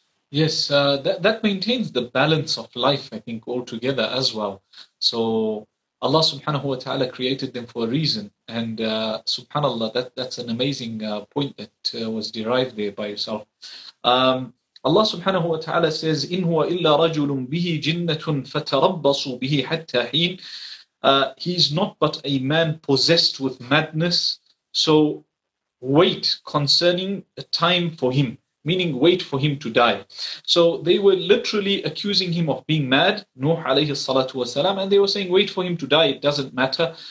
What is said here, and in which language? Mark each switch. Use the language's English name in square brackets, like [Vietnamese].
[English] Yes, that maintains the balance of life, I think, altogether as well. So Allah subhanahu wa ta'ala created them for a reason. And subhanallah, that's an amazing point that was derived there by yourself. Allah subhanahu wa ta'ala says, [Arabic] إِنْ هُوَ إِلَّا رَجُلٌ بِهِ جِنَّةٌ فَتَرَبَّصُوا بِهِ حَتَّى حِينَ. [English] He's not but a man possessed with madness. So wait concerning a time for him, meaning wait for him to die. So they were literally accusing him of being mad, Nuh alayhi salatu wa salam, and they were saying, wait for him to die, it doesn't matter.